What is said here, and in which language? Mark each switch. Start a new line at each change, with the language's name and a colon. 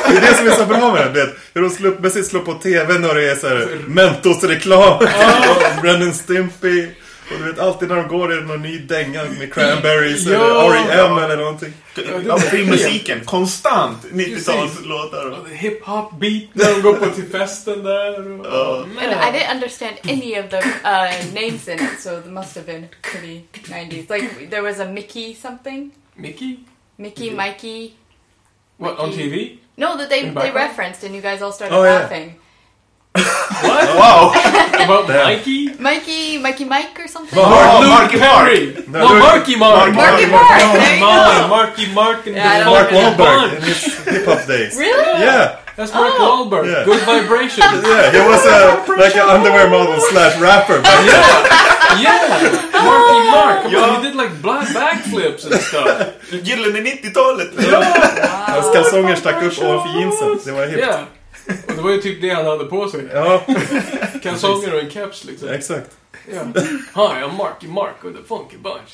Swedish: Det är det som är så bra med den. Hur de slår på tv när det är så här Mentos-reklam. Oh. Brandon Stimpy. Och du vet alltid när de går är det någon ny dänga med cranberries ja, eller R.E.M. Ja. Eller någonting. Ja, filmmusiken, konstant 90-talslåtar. Hip-hop beat när de går på till festen där.
English: And I didn't understand any of the names in it, so it must have been pretty 90s. Like, there was a Mickey something. Mickey? What, Mickey. On TV? No, that they referenced and you guys all started laughing. Yeah. What? Wow! About Mikey or something? Marky Mark. No, Marky Mark. Marky Mark. And Mark Wahlberg in his hip hop days. Really? Yeah. That's Mark Wahlberg. Yeah. Good Vibrations. Yeah, he was an underwear model / rapper. Yeah. Yeah. Marky Mark. Yeah. He did like black backflips and stuff.
Swedish: Gyllene 90-talet.
English: Yeah.
Swedish: Hans kalsonger stack upp ovanför jeansen. Det var hip. Och det var ju typ det han hade på sig. Ja. Kalsonger och en keps liksom. Exakt. Ja.
English: Hi, I'm Marky Mark with the Funky Bunch.